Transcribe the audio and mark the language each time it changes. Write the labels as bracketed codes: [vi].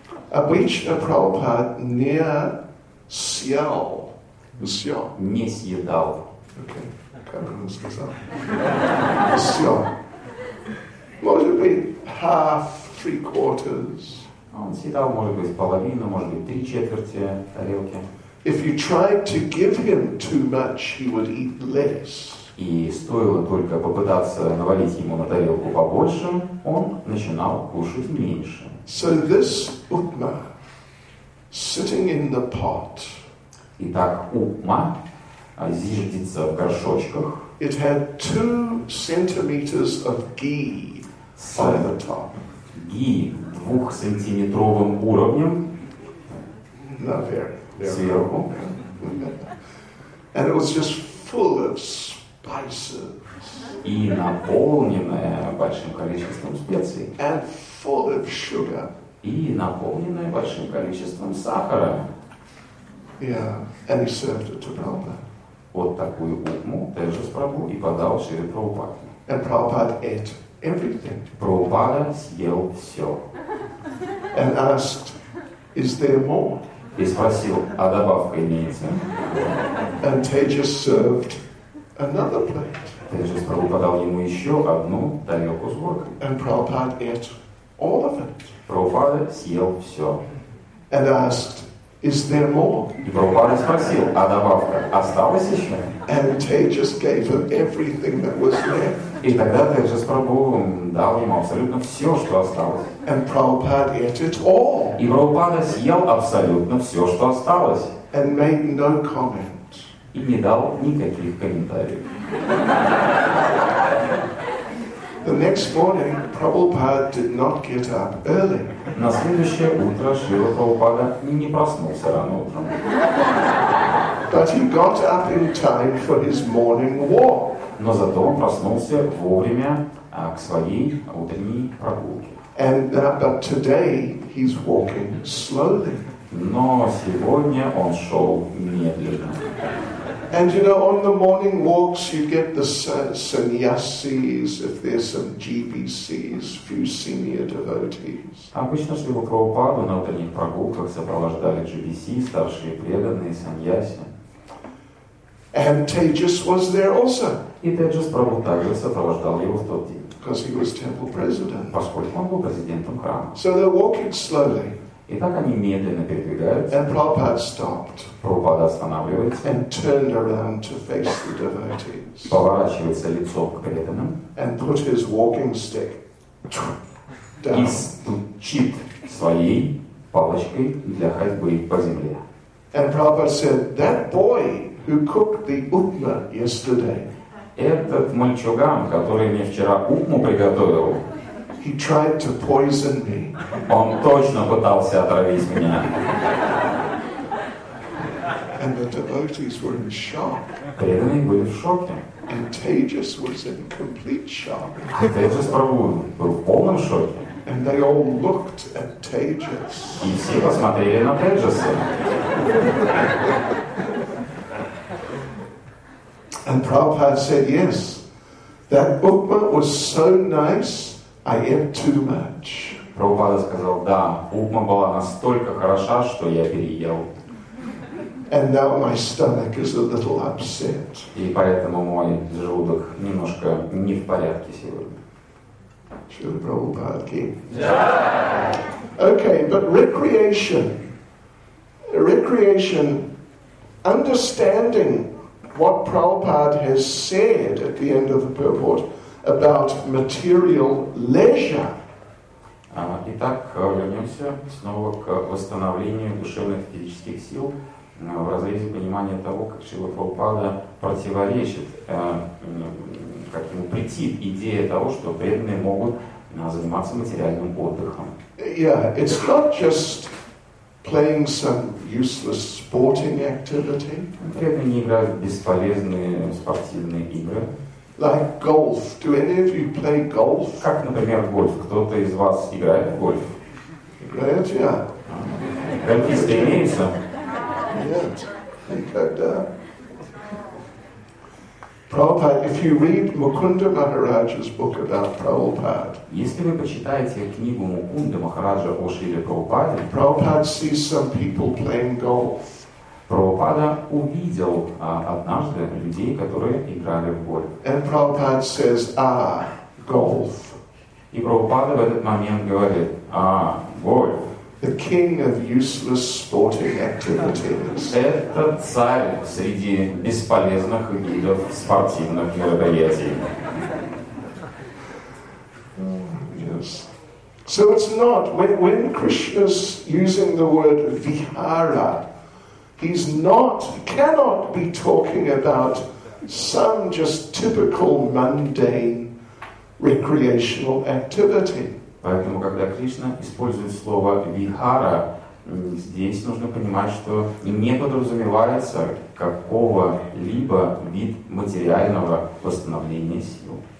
[ru] Обычно Прабхупад не съел. Все. Не съедал. [en] Okay. [ru] Как он сказал? Все. Может быть, [en] half, three quarters. [ru] Он съедал, может быть, половину, может быть, три четверти тарелки. [en] If you tried to give him too much, he would eat less. [ru] И стоило только попытаться навалить ему на тарелку побольше, он начинал кушать меньше. [en] So this Utma, sitting in the pot. [ru] Итак, Утма зиждется в горшочках. [en] It had 2 centimeters of ghee on the top. [ru] Ghee 2-сантиметровым уровнем. Сверху. [en] And it was just full of spices. [ru] И наполненное большим количеством специй. [en] And full of sugar. [ru] И наполненное большим количеством сахара. [en] Yeah, and he served it to Prabhupada. [ru] Вот такую утму также Прабху и подал Шри Прабхупаде. [en] And Prabhupada ate everything. [ru] Прабхупада съел все. [en] And asked, is there more? [ru] И спросил, а добавка имеется? [en] And Tejas served another plate. [ru] Тейджас Прабху подал ему еще одну тарелку с горкой. [en] And Prabhupada ate all of it. [ru] Прабхупада съел все. [en] And asked, is there more? [ru] И Прабхупада спросил, а добавка осталась еще? [en] And Tejas gave him everything that was left. [ru] И тогда Тейджас Прабху дал ему абсолютно все, что осталось. [en] And Prabhupada ate it all. [ru] И Прабхупада съел абсолютно все, что осталось. [en] And made no comment. [ru] И не дал никаких комментариев. [en] The next morning, Prabhupada did not get up early. [ru] На следующее утро Шрила Прабхупада не проснулся рано утром. [en] But he got up in time for his morning walk. [ru] Но зато он проснулся вовремя к своей утренней прогулке. [en] And but today he's walking slowly. [ru] Но сегодня он шел медленно. [en] And you know, on the morning walks, you get the sannyasis, if there's some GBCs, few senior devotees. [ru] Обычно Шрила Прабхупаду на утренних прогулках сопровождали GBC, старшие преданные, саньяси. [en] And Tejas was there also. [ru] И Тейджас Прабху также сопровождал его в тот день. [en] Because he was temple president. [ru] Поскольку он был президентом храма. [en] So they're walking slowly. [ru] И так они медленно передвигаются. [en] And Prabhupada stopped. [ru] Прабхупада останавливается. [en] And turned around to face the devotees. [ru] Поворачивается лицом к преданным. [en] And put his walking stick down. [ru] И стучит своей палочкой для ходьбы по земле. [en] And Prabhupada said, that boy who cooked the utma yesterday. [ru] Этот мальчуган, который мне вчера утму приготовил. [en] He tried to poison me. [ru] Он точно пытался отравить меня. [en] And the devotees were in shock. [ru] Преданные были в шоке. [en] And Tejas was in complete shock. [ru] Тейджас Прабху был в полном шоке. [en] And they all looked at Tejas. [ru] И все посмотрели на Тейджаса. [en] And Prabhupada said, yes, that utma was so nice. I ate too much. [ru] Прабхупада сказал, да, утма была настолько хороша, что я переел. [en] And now my stomach is a little upset. [ru] И поэтому мой желудок немножко не в порядке сегодня. Шрила Прабхупада ки. [en] Yeah. Okay, but recreation. Recreation, understanding what Prabhupada has said at the end of the purport about material leisure. [ru] Итак, вернемся снова к восстановлению душевных физических сил в разрезе понимания того, как Шрила Прабхупада противоречит, как ему претит идея того, что преданные могут заниматься материальным отдыхом. [en] Yeah, it's not just playing some useless sporting activity. [ru] Преданные не играют бесполезные спортивные игры. [en] Like golf. Do any of you play golf? [ru] Как, например, гольф? Кто-то из вас играет в гольф? Играет, [en] yeah. [ru] Гольфисты имеются? [en] did. And, Prabhupada, if you read Mukunda Maharaj's book about Prabhupada, [ru] если вы почитаете книгу Мукунды Махараджа о Шриле Прабхупаде, [en] Prabhupada sees some people playing golf. [ru] Прабхупада увидел однажды людей, которые играли в гольф. [en] And Prabhupada says, ah, golf. [ru] И Прабхупада в этот момент говорит, [en] ah, golf. The king of useless sporting activities. [ru] Это царь среди бесполезных видов спортивных мероприятий. [en] Yes. So it's not when Krishna's using the word vihara, he's not cannot be talking about some just typical mundane recreational activity. [ru] Поэтому, когда Кришна использует слово «вихара», здесь нужно понимать, что не подразумевается какого-либо вид материального восстановления сил.